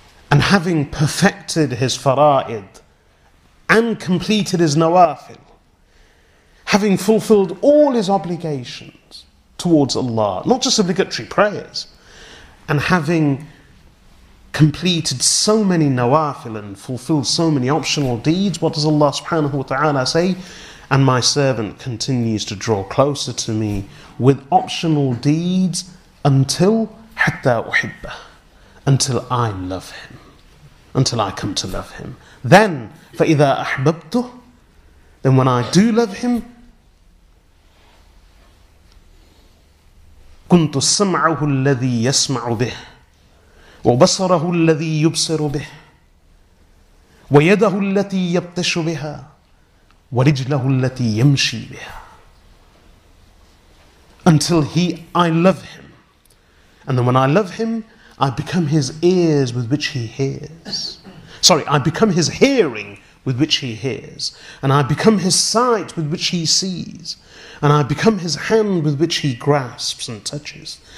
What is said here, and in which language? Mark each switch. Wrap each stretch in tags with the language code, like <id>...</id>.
<en>And having perfected his fara'id and completed his nawafil, having fulfilled all his obligations towards Allah, not just obligatory prayers, and having completed so many nawafil and fulfilled so many optional deeds, what does Allah subhanahu wa ta'ala say? And my servant continues to draw closer to me with optional deeds until</en> <ar>hatta uhibba,</ar> <en>until I love him, until I come to love him.</en> <ar>Then, فَإِذَا أَحْبَبْتُ,</ar> <en>then when I do love him,</en> <ar>كُنْتُ سَمْعَهُ الَّذِي يَسْمَعُ بِهِ وَبَصَرَهُ الَّذِي يُبْصِرُ بِهِ وَيَدَهُ الَّتِي يَبْتَشُ بِهَا وَرِجْلَهُ الَّتِي يَمْشِي بِهَا.</ar> <en>Until I love him. And then when I love him, I become his ears with which he hears. Sorry, I become his hearing with which he hears. And I become his sight with which he sees. And I become his hand with which he grasps and touches.</en>